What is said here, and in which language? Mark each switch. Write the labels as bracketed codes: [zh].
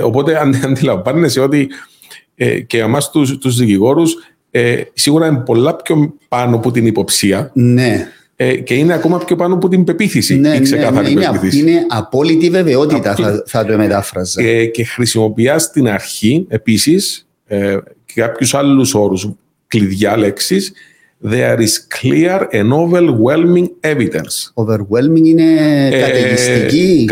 [el] Οπότε αντιλαμβάνεσαι ότι και εμάς τους δικηγόρους σίγουρα είναι πολλά πιο πάνω από την υποψία. Ναι. Και είναι ακόμα πιο πάνω από την πεποίθηση, ναι, η ξεκάθαρη πεποίθηση. Είναι απόλυτη βεβαιότητα, θα το μετάφραζα. Και χρησιμοποιεί στην αρχή επίσης και κάποιους άλλους όρους, κλειδιά λέξεις. [en] There is clear and overwhelming evidence. [el] Overwhelming είναι καταιγιστική.